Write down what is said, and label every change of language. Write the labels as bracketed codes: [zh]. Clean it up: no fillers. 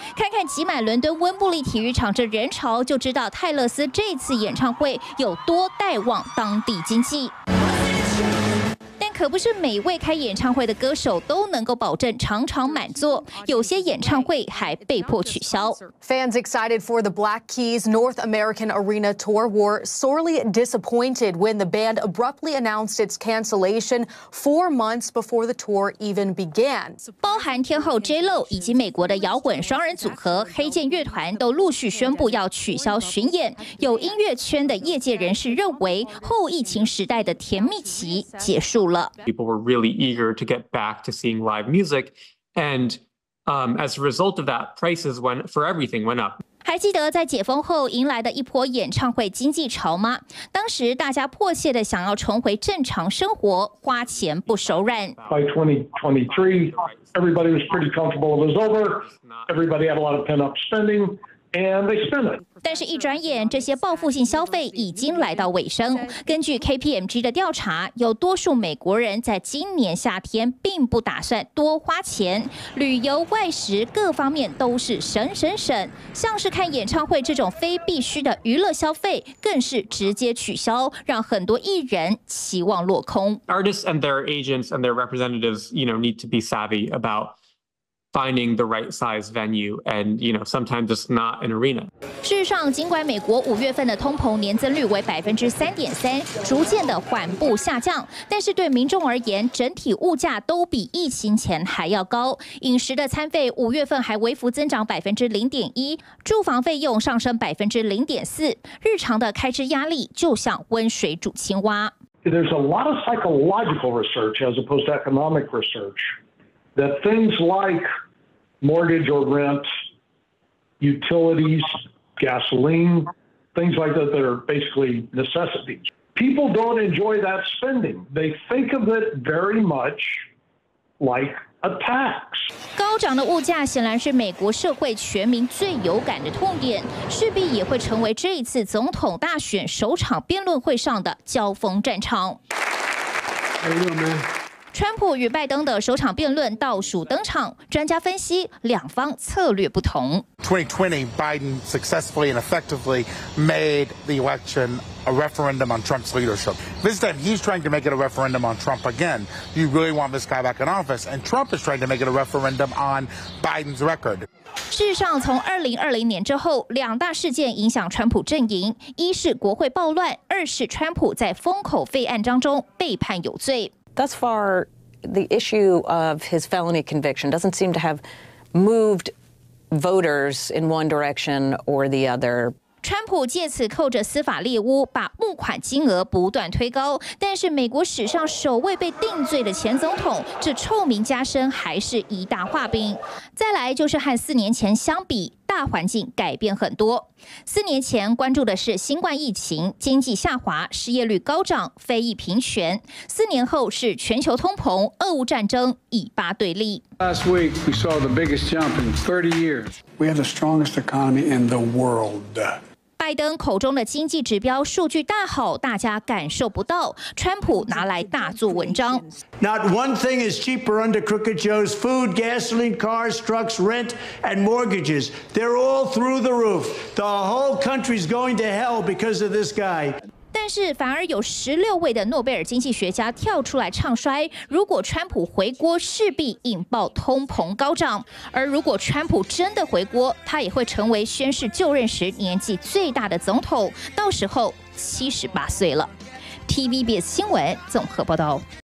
[zh] 看看挤满伦敦温布利体育场这人潮，就知道泰勒斯这次演唱会有多带旺当地经济。可不是每位开演唱会的歌手都能够保证场场满座，有些演唱会还被迫取消。 [en] Fans excited for the Black Keys North American Arena Tour were sorely disappointed when the band abruptly announced its cancellation 4 months before the tour even began. [zh] 包含天后 J.Lo 以及美国的摇滚双人组合黑键乐团都陆续宣布要取消巡演。有音乐圈的业界人士认为，后疫情时代的甜蜜期结束了。 [en] People were really eager to get back to seeing live music, and as a result of that, prices went for everything went up. [zh] 还记得在解封后迎来的一波演唱会经济潮吗？当时大家迫切的想要重回正常生活，花钱不手软。 [en] By 2023, everybody was pretty comfortable. It was over. Everybody had a lot of pent-up spending. And they spend it. [zh] 但是，一转眼，这些报复性消费已经来到尾声。根据 KPMG 的调查，有多数美国人在今年夏天并不打算多花钱，旅游、外食各方面都是省省省。像是看演唱会这种非必须的娱乐消费，更是直接取消，让很多艺人期望落空。 [en] Artists and their agents and their representatives, you know, need to be savvy about. Finding the right size venue, and you know, sometimes just not an arena. [zh] 事实上，尽管美国五月份的通膨年增率为3.3%，逐渐的缓步下降，但是对民众而言，整体物价都比疫情前还要高。饮食的餐费五月份还微幅增长0.1%，住房费用上升0.4%，日常的开支压力就像温水煮青蛙。 [en] There's a lot of psychological research as opposed to economic research. That things like mortgage or rent, utilities, gasoline, things like that, that are basically necessities. People don't enjoy that spending. They think of it very much like. [zh] 高涨的物价显然是美国社会全民最有感的痛点，势必也会成为这一次总统大选首场辩论会上的交锋战场。川普与拜登的首场辩论倒数登场，专家分析两方策略不同。 [en] 2020, Biden successfully and effectively made the election a referendum on Trump's leadership. This time, he's trying to make it a referendum on Trump again. You really want this guy back in office? And Trump is trying to make it a referendum on Biden's record. [zh] 事实上，从2020年之后，两大事件影响川普阵营：一是国会暴乱，二是川普在封口费案当中被判有罪。 [en] Thus far, the issue of his felony conviction doesn't seem to have moved voters in one direction or the other. [zh] 川普借此扣着司法猎巫，把募款金额不断推高，但是美国史上首位被定罪的前总统，这臭名加身还是一大画饼。再来就是和4年前相比，大环境改变很多。 4年前关注的是新冠疫情、经济下滑、失业率高涨、非裔平权。 4年后是全球通膨、俄乌战争、以巴对立。 [en] Last week we saw the biggest jump in 30 years. We have the strongest economy in the world. [zh] 拜登口中的经济指标数据大好，大家感受不到。川普拿来大做文章。 [en] Not one thing is cheaper under Crooked Joe's: food, gasoline, cars, trucks, rent, and mortgages. They're all through the roof. The whole country's going to hell because of this guy. [zh] 但是反而有16位的诺贝尔经济学家跳出来唱衰，如果川普回国，势必引爆通膨高涨。而如果川普真的回国，他也会成为宣誓就任时年纪最大的总统，到时候 78岁了。TVBS 新闻综合报道。